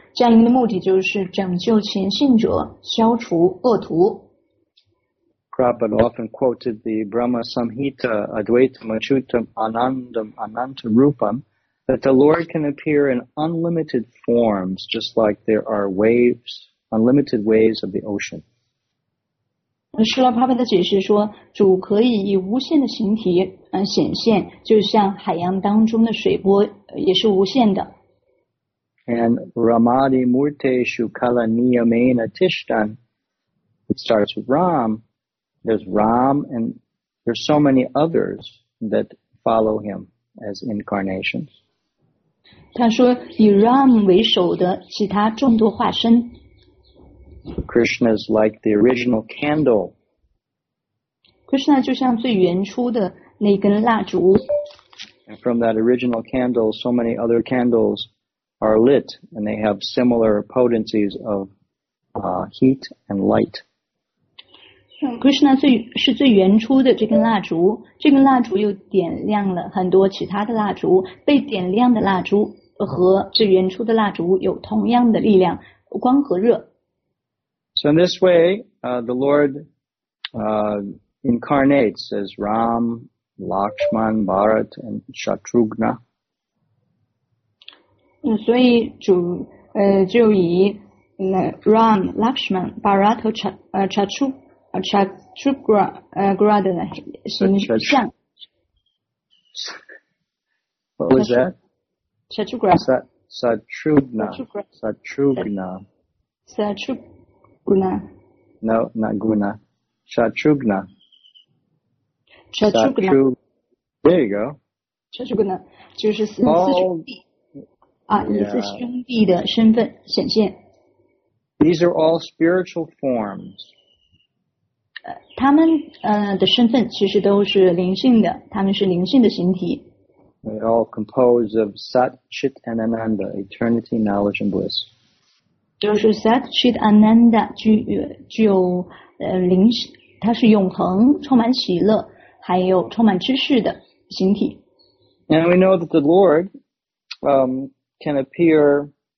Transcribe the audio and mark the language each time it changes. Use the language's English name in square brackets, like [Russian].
[Chinese] 降临的目的就是拯救前信者，消除恶徒。 [English] Prabhupada often quoted the Brahma Samhita [Sanskrit] Advaitam Achyutam Anandam Anantarupam [English] that the Lord can appear in unlimited forms, just like there are waves, unlimited waves of the ocean. [Chinese] Srila Prabhupada 解释说，主可以以无限的形体显现，就像海洋当中的水波也是无限的。 [English] And [Sanskrit] Ramadi Murte Shukala Niyamena Tishtan, [English] it starts with Ram. There's Ram and there's so many others that follow him as incarnations. [Chinese] 他说以 Ram 为首的其他众多化身。 [English] Krishna is like the original candle. [Chinese] Krishna 就像最原初的那根蜡烛。 [English] And from that original candle, so many other candles are lit and they have similar potencies of heat and light. [Chinese] Krishna 是最原初的这根蜡烛，这根蜡烛又点亮了很多其他的蜡烛，被点亮的蜡烛和最原初的蜡烛有同样的力量，光和热。 [English] So in this way, the Lord incarnates as Ram, Lakshman, Bharat, and Shatrughna. [Chinese] 所以主就以Ram, Lakshman, Bharat 和 Shatrughna Chatrugra 的形象。 [English] What was that? Chatrugra. Satrugna. Satrugna. Satrugna. No, not guna. Chatrugna. Chatrugna. There you go. [Chinese] Chatrugna 就是四兄弟啊，以四兄弟的身份显现。 [English] These are all spiritual forms. [Chinese] 他们的身份其实都是灵性的，他们是灵性的形体。 [English] They all compose of Sat Chit Ananda, eternity, knowledge and bliss. [Chinese] 就是 Sat Chit Ananda 具有灵性，它是永恒，充满喜乐，还有充满知识的形体。 [English] And we know that the Lord, can appear.